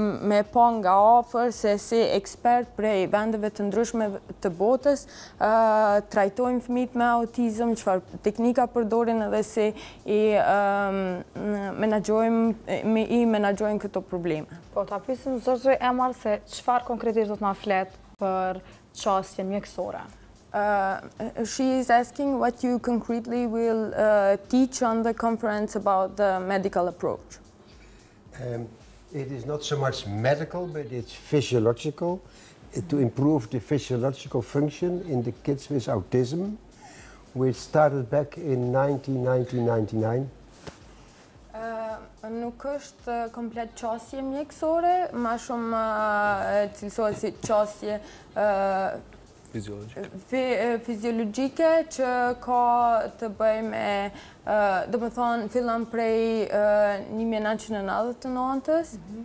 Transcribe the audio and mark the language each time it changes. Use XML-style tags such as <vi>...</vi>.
<sq>me pa nga afër se si ekspert prej vendeve të ndryshme të botës trajtojmë fëmijët me autizëm, çfarë teknika përdorin edhe si i menaxhojmë këto probleme. Po ta pyesim zotë Emar se çfarë konkretisht do të na flet për çastjen mjekësore.</sq> <en>She is asking what you concretely will teach on the conference about the medical approach. It is not so much medical, but it's physiological, to improve the physiological function in the kids with autism, which started back in 1999.</en> <sq>Nuk është komplet qasje mjekësore, ma shumë cilësohet si qasje fiziologjike që ka të bëj me, do më thonë, fillan prej 1999-ës.</sq>